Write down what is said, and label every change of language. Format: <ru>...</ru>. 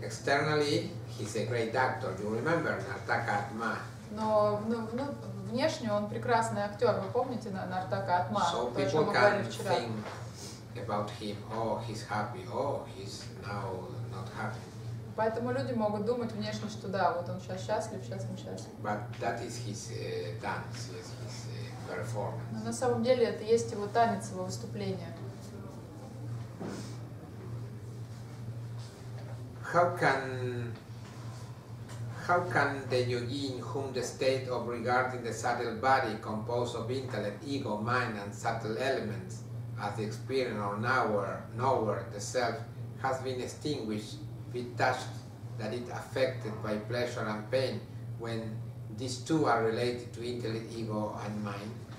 <en>Externally, he's a great actor. You remember Нартака Атма?</en> <ru>Но внешне он прекрасный актер. Вы помните Нартака Атма?</ru> <en>So people</en> <ru>чем</ru> <en>can</en> <ru>вчера.</ru> <en>Think about him. Oh, he's happy. Oh, he's now not happy.</en> <ru>Поэтому люди могут думать внешне, что да, вот он сейчас счастлив, сейчас не счастлив.</ru> <en>But that is his dance, yes, his performance.</en> <ru>Но на самом деле это есть его танец, его выступление.</ru> <en>How can the yogi in whom the state of regarding the subtle body composed of intellect, ego, mind and subtle elements as the experience or knower, the self, has been extinguished, be touched, that it affected by pleasure and pain when these two are related to intellect, ego and mind?</en>